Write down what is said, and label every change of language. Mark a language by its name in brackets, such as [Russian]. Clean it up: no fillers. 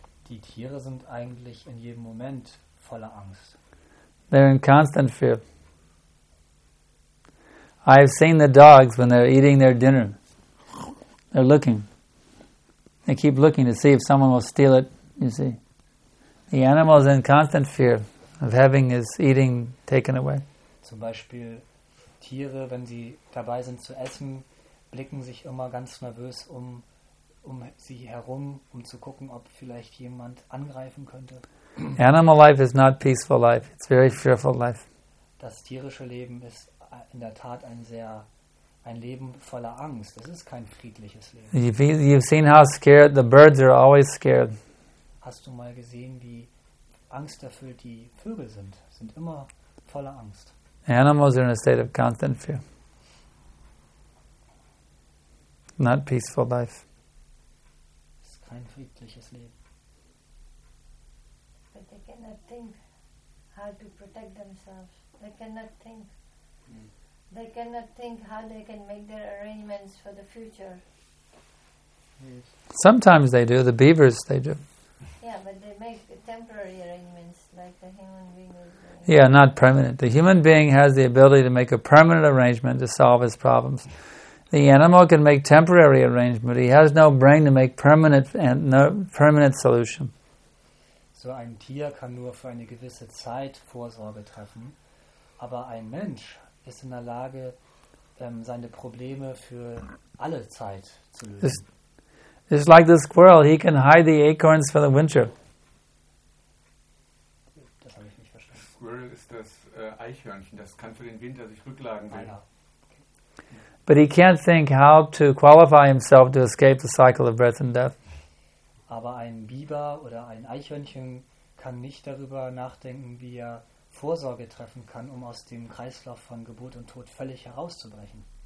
[German] Die Tiere sind eigentlich in jedem Moment voller Angst. [English] They're in constant fear. I've seen the dogs when they're eating their dinner. They're looking. They keep looking to see if someone will steal it, You see? The animal is in constant fear of having his eating taken away. [German] Zum Beispiel Tiere, wenn sie dabei sind zu essen, blicken sich immer ganz nervös um sie herum, um zu gucken, ob vielleicht jemand angreifen könnte. [English] Animal life is not peaceful life. It's very fearful life. [German] Das tierische Leben ist in der Tat ein Leben voller Angst. Das ist kein friedliches Leben. [English] You've seen how scared the birds are, always scared. [German] Hast du mal gesehen, wie angsterfüllt die Vögel sind? Sind immer voller Angst. [English] Animals are in a state of constant fear. Not peaceful life. Es ist kein friedliches Leben. But they cannot think how to protect themselves. They cannot think. They cannot think how they can make their arrangements for the future. Yes. Sometimes they do. The beavers, they do. Yeah, but they make temporary arrangements like the human being. Yeah, not permanent. The human being has the ability to make a permanent arrangement to solve his problems. The animal can make temporary arrangements. He has no brain to make permanent and no permanent solution. [German] So ein Tier kann nur für eine gewisse Zeit Vorsorge treffen, aber ein Mensch ist in der Lage, seine Probleme für alle Zeit zu lösen. [English] It's like the squirrel. He can hide the acorns for the winter. [German] Das habe ich nicht verstanden. Squirrel ist das Eichhörnchen. Das kann für den Winter sich Rücklagen bilden. [English] But he can't think how to qualify himself to escape the cycle of birth and death. [German] Aber ein Biber oder ein Eichhörnchen kann nicht darüber nachdenken, wie er Vorsorge treffen kann, um aus dem Kreislauf von Geburt und Tod völlig herauszubrechen.